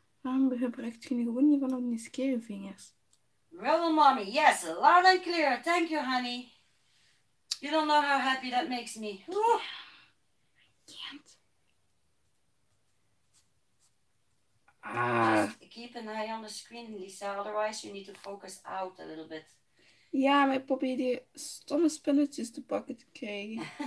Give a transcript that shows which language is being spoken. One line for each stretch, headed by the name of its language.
Dutch: Waarom gebruikt je nu gewoon niet van die scare vingers?
English: Rebel Mommy, yes, loud and clear. Thank you, honey. You don't know how happy that makes me. Ooh. I can't. Just keep an eye on the screen, Lisa. Otherwise, you need to focus out a little bit.
Dutch: Ja, maar ik probeer die stomme spinnetjes te pakken te krijgen.